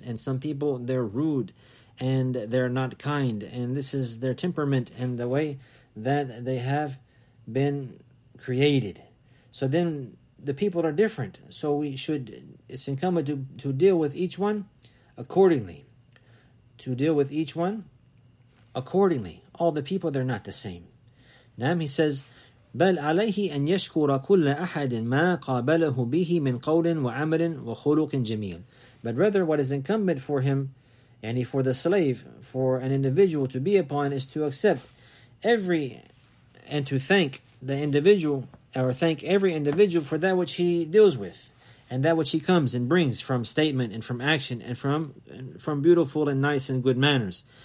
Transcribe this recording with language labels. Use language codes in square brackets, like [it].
[en] And some people, they're rude and they're not kind, and this is their temperament and the way that they have been created. So then the people are different, so it's incumbent to deal with each one accordingly. To deal with each one accordingly. All the people, they're not the same. Now he says, [ar] بَلْ عَلَيْهِ أَنْ يَشْكُرَ كُلَّ أَحَدٍ مَا قَابَلَهُ بِهِ مِنْ قَوْلٍ وَعَمَلٍ وَخُلُقٍ جَمِيلٍ. [en] But rather, what is incumbent for him, and for the slave, for an individual to be upon, is to accept every, and to thank the individual, or thank every individual for that which he deals with. And that which he comes and brings from statement and from action and from beautiful and nice and good manners.